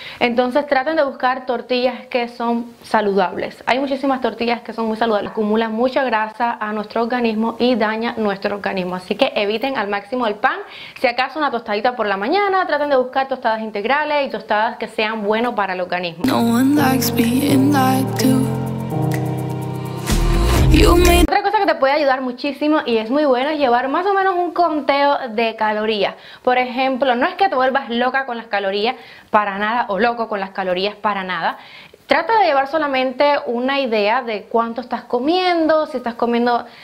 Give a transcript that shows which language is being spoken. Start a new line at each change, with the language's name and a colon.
Spanish: Entonces traten de buscar tortillas que son saludables. Hay muchísimas tortillas que son muy saludables, acumulan mucha grasa a nuestro organismo y daña nuestro organismo. Así que eviten al máximo el pan. Si acaso una tostadita por la mañana, traten de buscar tostadas integrales y tostadas que sean buenas para el organismo.
English: No one likes being like you.
Spanish: Otra cosa que te puede ayudar muchísimo y es muy buena es llevar más o menos un conteo de calorías. Por ejemplo, no es que te vuelvas loca con las calorías para nada o loco con las calorías para nada. Trata de llevar solamente una idea de cuánto estás comiendo, si estás comiendo.